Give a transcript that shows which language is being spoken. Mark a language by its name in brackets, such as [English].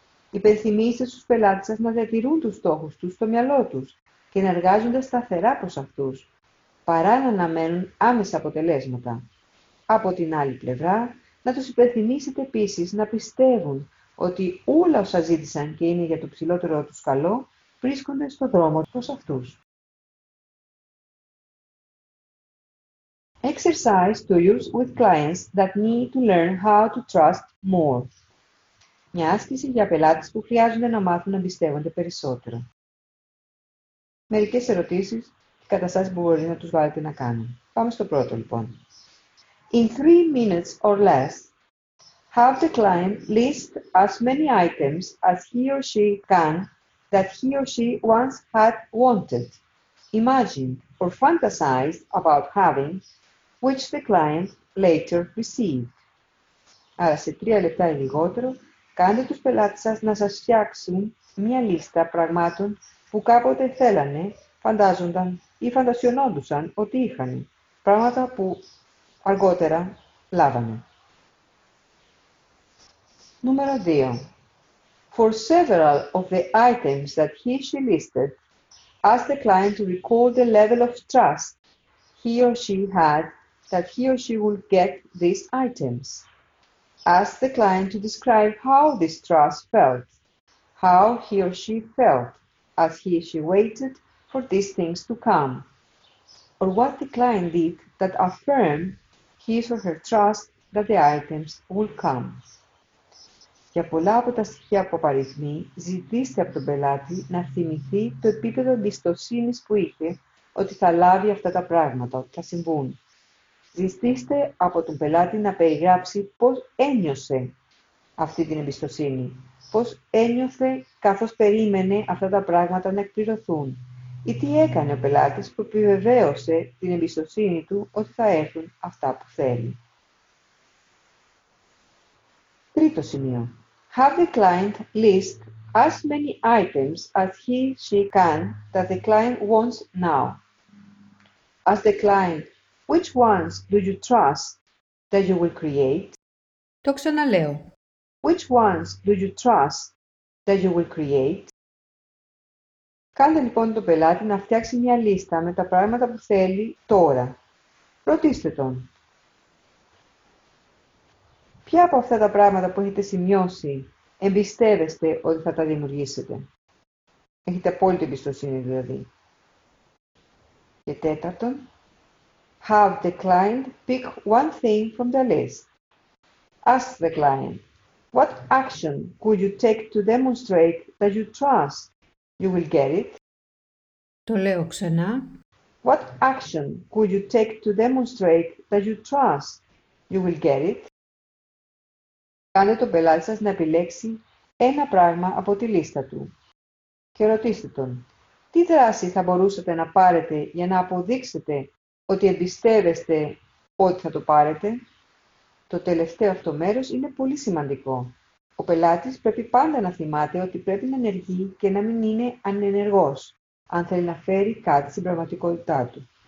[Greek] Υπενθυμίστε στους πελάτες σας να διατηρούν τους στόχους τους στο μυαλό τους και να εργάζονται σταθερά προς αυτούς, παρά να αναμένουν άμεσα αποτελέσματα. Από την άλλη πλευρά, να τους υπενθυμίσετε επίσης να πιστεύουν ότι όλα όσα ζήτησαν και είναι για το ψηλότερο τους καλό, βρίσκονται στο δρόμο προς αυτούς. [English] Exercise to use with clients that need to learn how to trust more. [Greek] Μια άσκηση για πελάτες που χρειάζονται να μάθουν να εμπιστεύονται περισσότερο. Μερικές ερωτήσεις και καταστάσεις που μπορεί να τους βάλετε να κάνουν. Πάμε στο πρώτο λοιπόν. [English] In 3 minutes or less, Have the client list as many items as he or she can that he or she once had wanted, imagined, or fantasized about having, which the client later received. [Greek] Άρα σε 3 λεπτά ή λιγότερο, κάντε τους πελάτες σας να σας φτιάξουν μια λίστα πραγμάτων που κάποτε θέλανε, φαντάζονταν ή φαντασιωνόντουσαν ότι είχαν, πράγματα που αργότερα λάβανε. Νούμερο 2. [English] For several of the items that he or she listed, ask the client to recall the level of trust he or she had that he or she would get these items. Ask the client to describe how this trust felt, how he or she felt as he or she waited for these things to come, or what the client did that affirmed his or her trust that the items would come. [Greek] Για πολλά από τα στοιχεία που απαριθμεί, ζητήστε από τον πελάτη να θυμηθεί το επίπεδο εμπιστοσύνης που είχε ότι θα λάβει αυτά τα πράγματα, ότι θα συμβούν. Ζητήστε από τον πελάτη να περιγράψει πώς ένιωσε αυτή την εμπιστοσύνη, πώς ένιωθε καθώς περίμενε αυτά τα πράγματα να εκπληρωθούν ή τι έκανε ο πελάτης που επιβεβαίωσε την εμπιστοσύνη του ότι θα έρθουν αυτά που θέλει. Τρίτο σημείο. [English] Have the client list as many items as he, she can that the client wants now. Ask the client, which ones do you trust that you will create? [Greek] Το ξαναλέω. [English] Which ones do you trust that you will create? [Greek] Κάντε λοιπόν τον πελάτη να φτιάξει μια λίστα με τα πράγματα που θέλει τώρα. Ρωτήστε τον. Ποια από αυτά τα πράγματα που έχετε σημειώσει εμπιστεύεστε ότι θα τα δημιουργήσετε? Έχετε απόλυτη εμπιστοσύνη δηλαδή. Και τέταρτον, [English] have the client pick one thing from the list. Ask the client, what action could you take to demonstrate that you trust you will get it? [Greek] Το λέω ξανά. [English] What action could you take to demonstrate that you trust you will get it? [Greek] Κάντε τον πελάτη σας να επιλέξει ένα πράγμα από τη λίστα του και ρωτήστε τον, τι δράση θα μπορούσατε να πάρετε για να αποδείξετε ότι εμπιστεύεστε ότι θα το πάρετε. Το τελευταίο αυτό μέρος είναι πολύ σημαντικό. Ο πελάτης πρέπει πάντα να θυμάται ότι πρέπει να ενεργεί και να μην είναι ανενεργός, αν θέλει να φέρει κάτι στην πραγματικότητά του.